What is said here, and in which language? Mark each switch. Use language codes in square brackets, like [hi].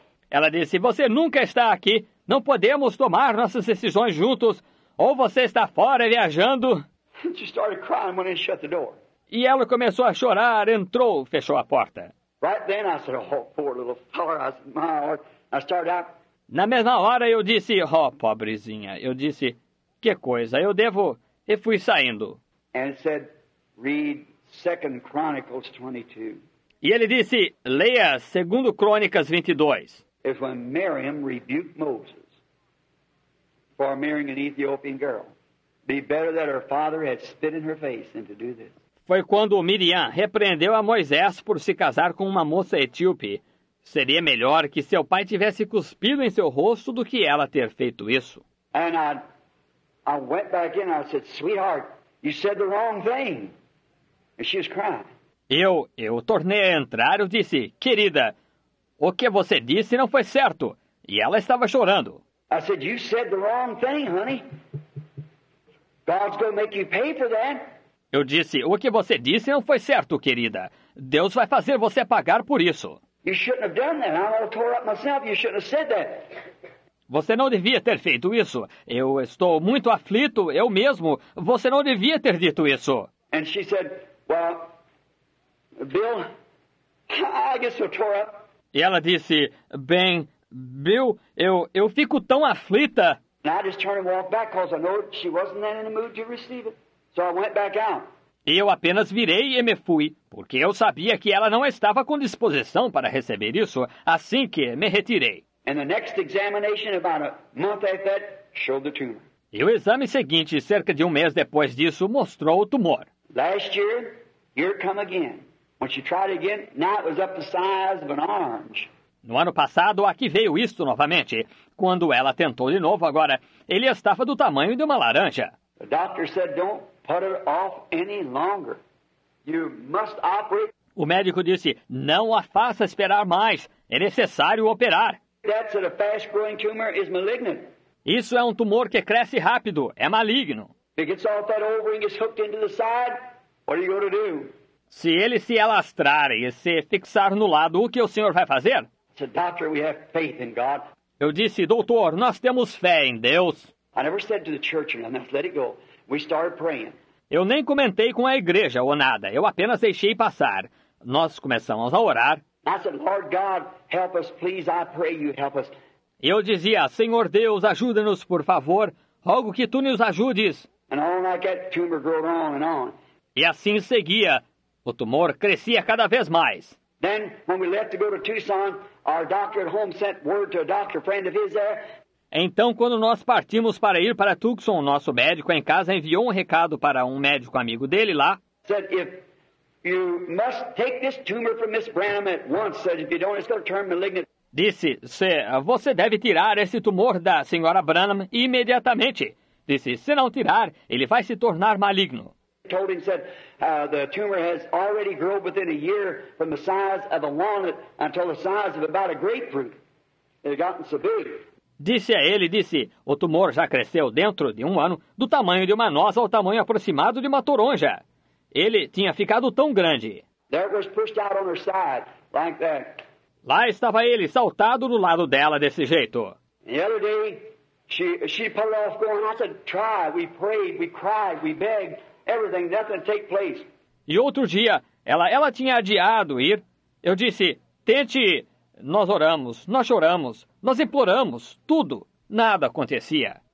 [pt] Ela disse, você nunca está aqui, não podemos tomar nossas decisões juntos, ou você está fora viajando. [en] She started crying when I shut the door. [pt] E ela começou a chorar, entrou, fechou a porta. [en] Right then I said, "Oh, poor little fella." I started out. [pt] Na mesma hora eu disse, oh, pobrezinha, eu disse, que coisa, eu devo, e fui saindo. [en] And said, "Read 2 Chronicles 22. [pt] E ele disse, leia 2 Crônicas 22. [en] It's when Miriam rebuked Moses for marrying an Ethiopian girl. Be better that her father had spit in her face than to do this. [pt] Foi quando Miriam repreendeu a Moisés por se casar com uma moça etíope. Seria melhor que seu pai tivesse cuspido em seu rosto do que ela ter feito isso. [en] And I went back in and I said, "Sweetheart, you said the wrong thing." And she was crying. [pt] Eu tornei a entrar e disse, "Querida, o que você disse não foi certo." E ela estava chorando. [en] I said, "You said the wrong thing, honey. God's going to make you pay for that." [pt] Eu disse, "O que você disse não foi certo, querida. Deus vai fazer você pagar por isso." [en] You shouldn't have done that. I would have tore up myself. You shouldn't have said that. [pt] Você não devia ter feito isso. Eu estou muito aflito, eu mesmo. Você não devia ter dito isso. [en] And she said, "Well, Bill, I guess I tore up." [pt] E ela disse, bem, Bill, eu fico tão aflita. [en] And I just turned and walked back because I know she wasn't then in the mood to receive it. So I went back out. [pt] E eu apenas virei e me fui, porque eu sabia que ela não estava com disposição para receber isso, assim que me retirei. [en] And the next examination, about a month after that, showed the tumor. [pt] E o exame seguinte, cerca de um mês depois disso, mostrou o tumor. [en] Last year, here come again. When she tried again, now it was up the size of an orange. [pt] No ano passado, aqui veio isto novamente. Quando ela tentou de novo, agora, ele estava do tamanho de uma laranja. [en] The doctor said, don't put it off any longer. You must operate. [pt] O médico disse, não a faça esperar mais. É necessário operar. [en] That's a fast-growing tumor is malignant. [pt] Isso é um tumor que cresce rápido. É maligno. [en] If it gets off that O-ring and is hooked into the side, what are you going to do? [pt] Se ele se alastrar e se fixar no lado, o que o senhor vai fazer? [en] So, doctor, we have faith in God. [pt] Eu disse, doutor, nós temos fé em Deus. [en] I never said to the church or nothing, let it go. We started praying. [pt] Eu nem comentei com a igreja ou nada. Eu apenas deixei passar. Nós começamos a orar. [en] I said, Lord God, help us, please, I pray you help us. [pt] Eu dizia, Senhor Deus, ajuda-nos, por favor. Rogo que tu nos ajudes. [en] And all like that tumor grew on and on. [pt] E assim seguia. O tumor crescia cada vez mais. [en] Then, when we left to go to Tucson, our doctor at home sent word to a doctor friend of his there. [pt] Então, quando nós partimos para ir para Tucson, nosso médico em casa enviou um recado para um médico amigo dele lá. [en] Said, if you must take this tumor from Miss Branham at once, said, if you don't, it's going to turn malignant. [pt] Disse, você deve tirar esse tumor da senhora Branham imediatamente. Disse, se não tirar, ele vai se tornar maligno. [en] Told him, said, the tumor has already grown within a year from the size of a walnut until the size of about a grapefruit. It had gotten so big. [pt] Disse a ele, disse, o tumor já cresceu dentro de um ano do tamanho de uma noz ao tamanho aproximado de uma toronja. Ele tinha ficado tão grande. [en] There was pushed out on her side, like that. [pt] Lá estava ele, saltado do lado dela, desse jeito. [en] The other day, she put it off going, I said, try, we prayed, we cried, we begged, everything, nothing to take place. [pt] E outro dia, ela tinha adiado ir. Eu disse, tente ir. Nós oramos, nós choramos, nós imploramos, tudo, nada acontecia.